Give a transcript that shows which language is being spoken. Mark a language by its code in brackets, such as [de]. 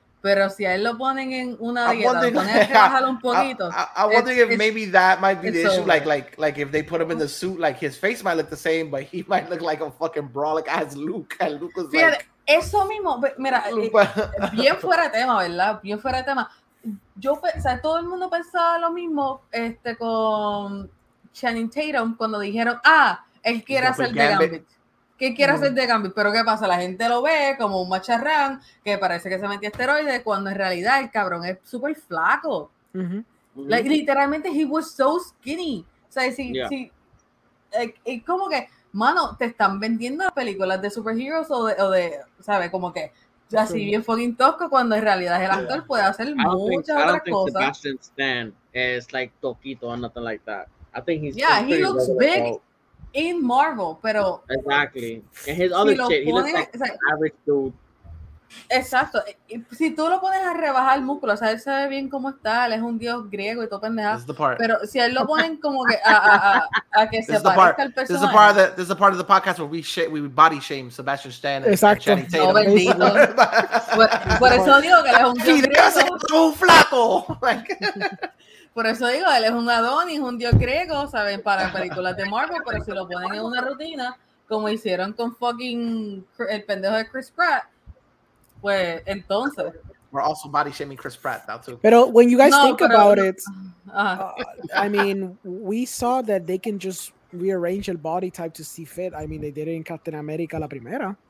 [es] Pero si a él lo ponen en una dieta, [en] I'm wondering if maybe that might be the issue. Over. Like if they put him in the suit, like his face might look the same, but he might look like a fucking brolic as Luke. And Luke was [es] fíjate, [en] like, [es] eso mismo. Mira, bien fuera de tema, ¿verdad? Bien fuera de tema. Yo, o sea, todo el mundo pensaba lo mismo con Channing Tatum cuando dijeron, él quiere hacer de Gambit. ¿Qué quiere hacer de Gambit? Pero ¿qué pasa? La gente lo ve como un macharrán que parece que se metió esteroides cuando en realidad el cabrón es súper flaco. Mm-hmm. [en] Like, literalmente, he was so skinny. [es] O sea, si, [en] yeah. [es] si, es como que, mano, te están vendiendo películas de superheroes o de ¿sabes? Como que, así bien fucking tosco cuando en realidad el actor puede hacer muchas otras cosas. [en] I don't think Sebastian Stan is like toquito or nothing like that. I think he's yeah, he looks big. in Marvel, [es] pero [en] exactly. And his other shit, he looks like an average dude. [es] Exacto. Si tú lo pones a rebajar el músculo, o sea, él sabe bien cómo está, él es un dios griego y todo pendejado. Pero si él lo ponen como que a que se parezca al personaje. [en] This is part of the podcast where we body shame Sebastian Stan. [es] Exacto. No, bendito. por eso digo que él es un dios griego. Y de caso, un flaco. Por eso digo, él es un Adonis, un dios griego, ¿saben? Para películas de Marvel, pero si lo ponen en una rutina, como hicieron con fucking el pendejo de Chris Pratt. Pues, entonces. [en] We're also body shaming Chris Pratt now too. [es] Pero [en] when you guys think about it, I mean, we saw that they can just rearrange the body type to see fit. I mean, they did it in Captain America [es] la primera.